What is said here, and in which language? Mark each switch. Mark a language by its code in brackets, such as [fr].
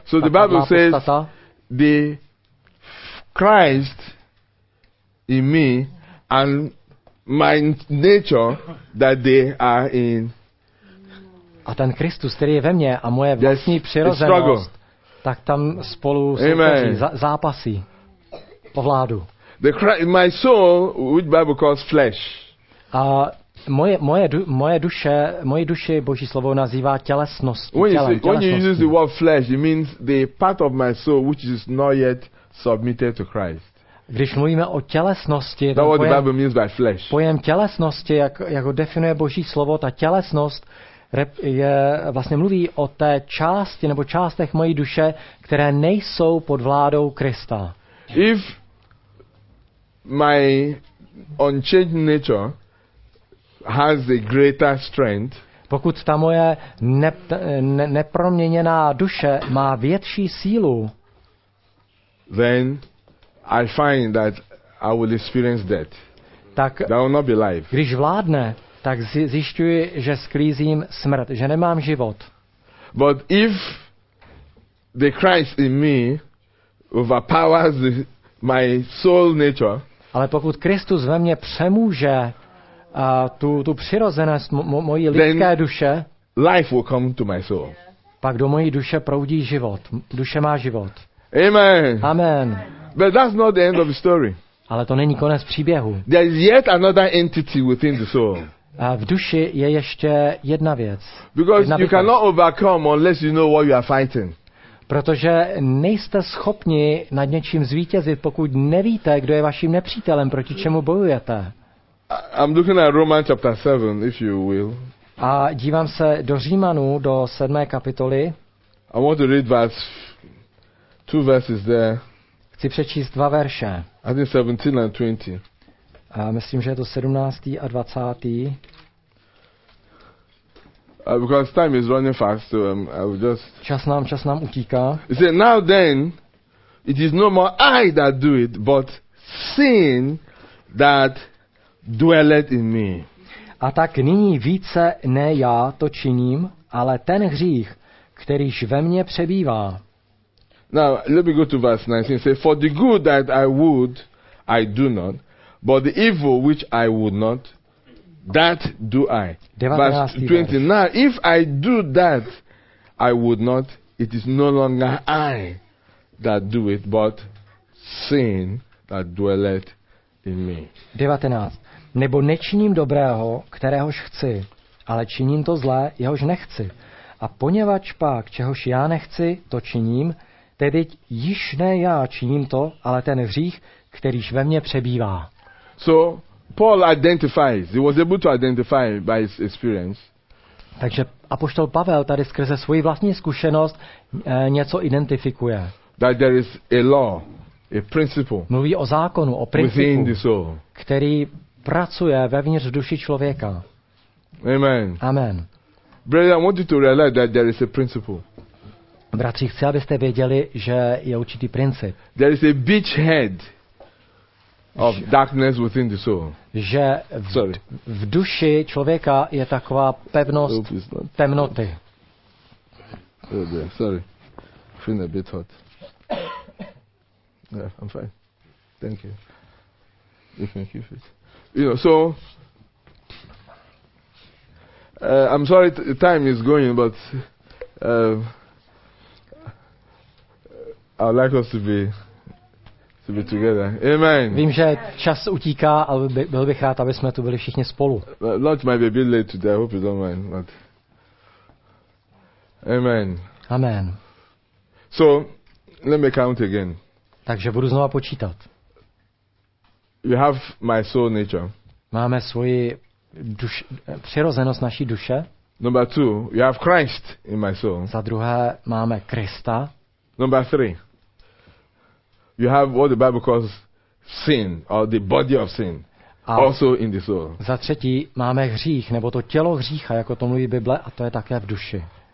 [en] So the Bible says the Christ in me and my nature that they are in. [cs] A ten Kristus, který je ve mně a moje vlastní přirozenost, tak tam spolu soupeří, zápasí po vládu. [en] The Christ, my soul, which Bible calls flesh. [cs] A moje duše, Boží slovo nazývá tělesnost. [en] When you use the word flesh, it means the part of my soul which is not yet submitted to Christ. [cs] Když mluvíme o tělesnosti, pojem tělesnosti, jak ho definuje Boží slovo, ta tělesnost je vlastně mluví o té části nebo částech mojí duše, které nejsou pod vládou Krista. [en] If my unchanged nature has a greater strength, [cs] pokud ta moje neproměněná duše má větší sílu, [en] then I find that I will experience death. [cs] Tak, [en] that will not be life. [cs] Když vládne, tak zjišťuji, že sklízím smrt, že nemám život. [en] But if the Christ in me overpowers my soul nature, [cs] ale pokud Kristus ve mně přemůže tu přirozenost mojí lidské duše, [en] life will come to my soul. [cs] Pak do mojí duše proudí život. Duše má život. [en] Amen. [cs] Amen. [en] But that's not the end of the story. [cs] Ale to není konec příběhu. [en] There is yet another entity within the soul. [cs] A v duši je ještě jedna věc. [en] Because [cs] jedna [en] you cannot overcome unless you know what you are fighting. [cs] Protože nejste schopni nad něčím zvítězit, pokud nevíte, kdo je vaším nepřítelem, proti čemu bojujete. [en] I'm looking at Romans chapter 7, if you will. [cs] A dívám se do Římanů, do 7. kapitoly. [en] I want to read verse 2 verses there. [cs] Chci přečíst dva verše. [en] I think 17 and 20. [cs] A myslím, že je to 17. a 20. [en] Because time is running fast, so I will just. [cs] Čas nám utíká. [en] He said, now then, it is no more I that do it, but sin that dwelleth in me. [cs] A tak nyní více ne já to činím, ale ten hřích, kterýž ve mně přebývá. [en] Now let me go to verse 19. It says, for the good that I would, I do not. But the evil which I would not, that do I. Verse 20. Now, if I do that I would not, it is no longer I that do it, but sin that dwelleth in me. 19. [cs] Nebo nečiním dobrého, kteréhož chci, ale činím to zlé, jehož nechci. A poněvadž pak, čehož já nechci, to činím, tedy již ne já činím to, ale ten hřích, kterýž ve mně přebývá. [en] So Paul identifies. He was able to identify by his experience. [cs] Takže apoštol Pavel tady skrze svoji vlastní zkušenost něco identifikuje. [en] That there is a law, a principle. [cs] Mluví o zákonu, o principu, [en] within the soul. [cs] Který pracuje vevnitř duši člověka. [en] Amen. [cs] Amen. [en] Brother, I want you to realize that there is a principle. [cs] Bratři, chci, abyste věděli, že je určitý princip. [en] There is a beachhead of darkness within the soul. [cs] Že v duši člověka je taková pevnost temnoty. [en] Oh dear, sorry. I'm feeling a bit hot. Yeah, I'm fine. Thank you. You can keep it. You know, so I'm sorry time is going, but I'd like us to be together. Amen. [cs] Vím, že čas utíká, ale byl bych rád, aby jsme tu byli všichni spolu. [en] Lunch might be a bit late today. I hope you don't mind. But amen. Amen. So, let me count again. [cs] Takže budu znova počítat. [en] You have my soul nature. [cs] Máme svoji přirozenost naší duše. [en] Number two, you have Christ in my soul. [cs] Za druhé máme Krista. [en] Number three. you have what the Bible calls sin or the body of sin. A also in the soul. [cs] Za třetí máme hřích nebo to tělo hřícha, jako to mluví Bible, a to je také v duši.